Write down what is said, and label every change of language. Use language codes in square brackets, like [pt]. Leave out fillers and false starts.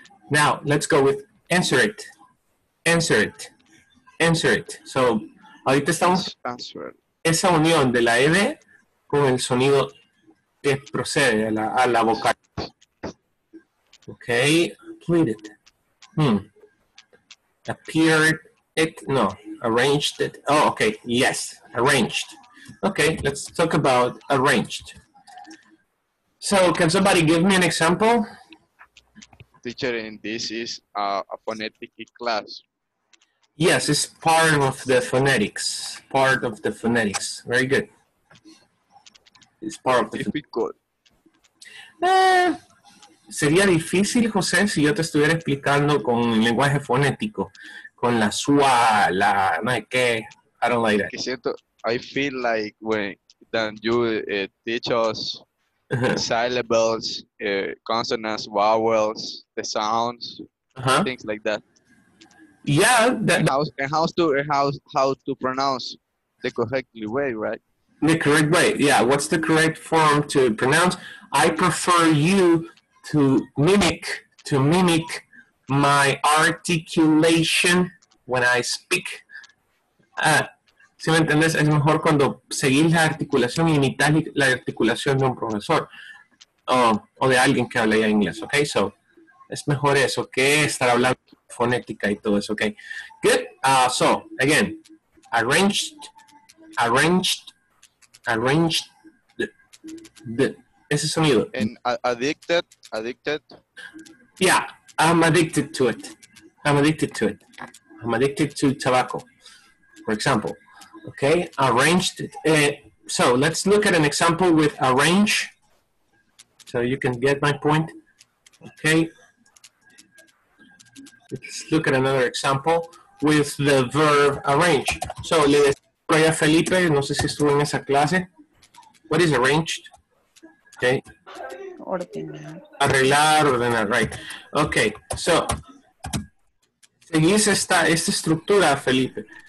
[en] Now, let's go with answer it, answer it, answer it. [es] So, ahorita estamos... [en] Answer. [es] Esa unión de la L con el sonido que procede a la vocal. [en] Okay, played it. Appeared it, no, arranged it. Oh, okay, yes, arranged. Okay, let's talk about arranged. So, can somebody give me an example? Teacher, and this is a phonetic class. Yes, it's part of the phonetics. Part of the phonetics. Very good. It's part of the difficult. [es] Sería difícil, José, si yo te estuviera explicando con el lenguaje fonético, con la sua, la no sé qué. [en] I don't like that. [es] Que siento, [en] I feel like when then you teach us. Syllables, consonants, vowels, the sounds, things like that. Yeah, how to pronounce the correct way, right? The correct way, yeah. What's the correct form to pronounce? I prefer you to mimic my articulation when I speak. [es] Si me entiendes, es mejor cuando seguís la articulación y imitas la articulación de un profesor o de alguien que habla ya inglés, ok? So, es mejor eso que estar hablando fonética y todo eso, ok? [en] Good. So, again, arranged, [es] ese sonido. [en] And addicted? Yeah, I'm addicted to tobacco, for example. Okay, arranged it. So let's look at an example with arrange, so you can get my point. Okay, let's look at another example with the verb arrange. [es] So, le decía a Felipe, no sé si estuvo en esa clase. [en] What is arranged? Okay. [es] Ordenar. Arreglar, ordenar, right. Okay, so, seguís esta estructura, Felipe.